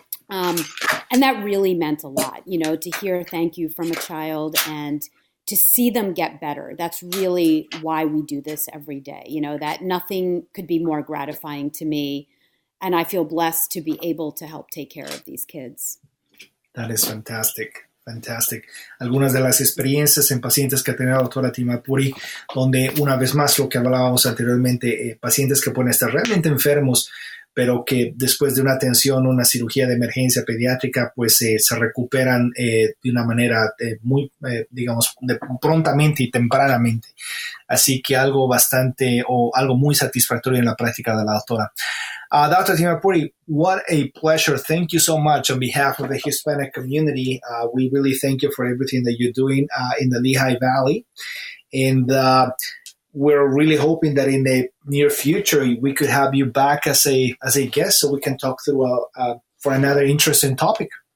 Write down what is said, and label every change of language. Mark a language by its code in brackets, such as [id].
[en] And that really meant a lot, you know, to hear thank you from a child and to see them get better. That's really why we do this every day. You know, that nothing could be more gratifying to me. And I feel blessed to be able to help take care of these kids. That is fantastic. Fantastic. [es] Algunas de las experiencias en pacientes que ha tenido la doctora Timapuri, donde una vez más lo que hablábamos anteriormente, pacientes que pueden estar realmente enfermos, pero que después de una atención, una cirugía de emergencia pediátrica, pues se recuperan de una manera muy, digamos, prontamente y tempranamente. Así que algo bastante o algo muy satisfactorio en la práctica de la doctora. [en] Dr. Timapuri, what a pleasure. Thank you so much on behalf of the Hispanic community. We really thank you for everything that you're doing in the Lehigh Valley. And we're really hoping that in the near future, we could have you back as a guest so we can talk through for another interesting topic.